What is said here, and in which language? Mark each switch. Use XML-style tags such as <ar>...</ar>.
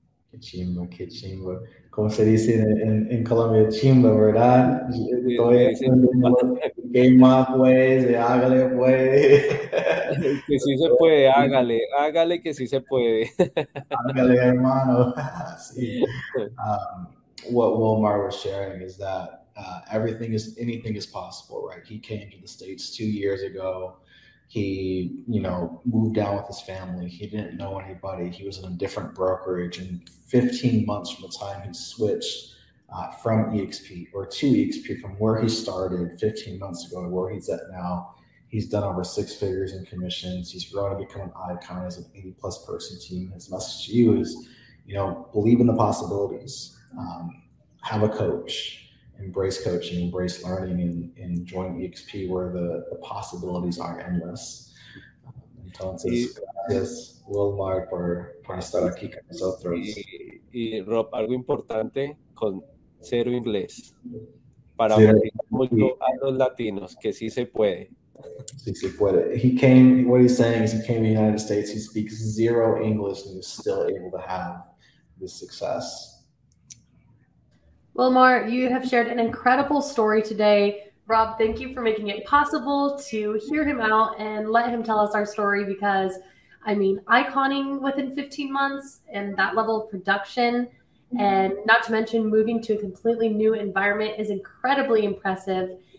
<es>Qué chimba, qué chimba. Como se dice en Colombia, chimba, ¿verdad? Sí, estoy haciendo game up, pues, hágale, pues. Que sí se puede, hágale, hágale que sí se puede. Hágale, hermano. Sí.</es> <en>What Wilmar was sharing is that Everything is, anything is possible, right? He came to the States 2 years ago. He, you know, moved down with his family. He didn't know anybody. He was in a different brokerage. And 15 months from the time he switched from EXP or to EXP, from where he started 15 months ago to where he's at now, he's done over six figures in commissions. He's grown to become an icon as an 80-plus person team. His message to you is, you know, believe in the possibilities. Have a coach. Embrace coaching, embrace learning, and join EXP where the possibilities are endless.</en> <es>Entonces, Wilmar, por estar aquí con nosotros. Y Rob, algo importante con cero inglés. Para sí, mucho a los latinos, que sí se puede. Sí se puede.</es> <en>He came, what he's saying is he came to the United States, he speaks zero English, and is still able to have this success. Wilmar, you have shared an incredible story today. Rob, thank you for making it possible to hear him out and let him tell us our story, because, I mean, iconing within 15 months and that level of production, and not to mention moving to a completely new environment, is incredibly impressive.</en>